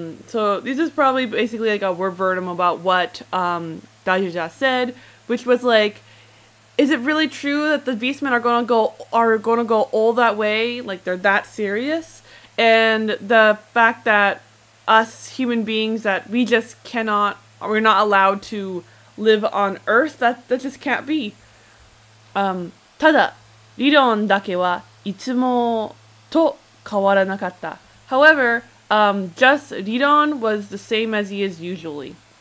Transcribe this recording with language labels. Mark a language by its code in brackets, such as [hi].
[en] So this is probably basically like a word verbatim about what Dajuja said, which was like, is it really true that the beastmen are gonna go all that way? Like, they're that serious? And the fact that us human beings, that we just cannot, we're not allowed to live on Earth, that just can't be. [ja] Tada, 理論 だけはいつもと変わらなかった。 [en] However, just 理論 was the same as he is usually.